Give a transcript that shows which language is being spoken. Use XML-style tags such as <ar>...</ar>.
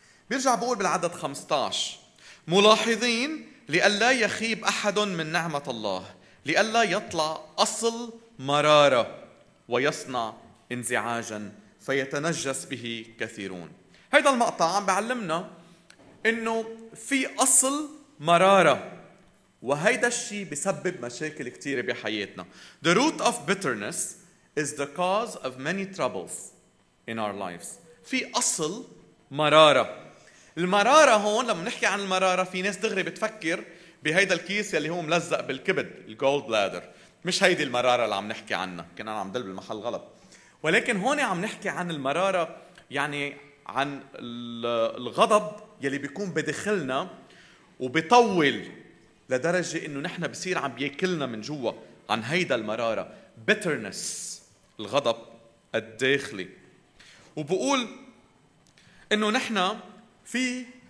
<ar>بيرجع بقول بالعدد 15, ملاحظين لئلا يخيب أحد من نعمة الله, لئلا يطلع أصل مرارة ويصنع انزعاجا فيتنجس به كثيرون. هيدا المقطع عم بعلمنا إنه في أصل مرارة, وهيدا الشيء بسبب مشاكل كتيرة بحياتنا.</ar> <en>The root of bitterness is the cause of many troubles in our lives.</en> <ar>في أصل مرارة. المرارة هون لما نحكي عن المرارة, في ناس دغري بتفكر بهيدا الكيس اللي هو ملزق بالكبد, الجولد بلادر. مش هيدي المرارة اللي عم نحكي عنها, كنا عم دل بالمحل غلط. ولكن هون عم نحكي عن المرارة, يعني عن الغضب يلي بيكون بداخلنا وبيطول لدرجة إنه نحن بصير عم بيأكلنا من جوا عن هيدا المرارة, bitterness, الغضب الداخلي. وبقول إنه نحن في</ar>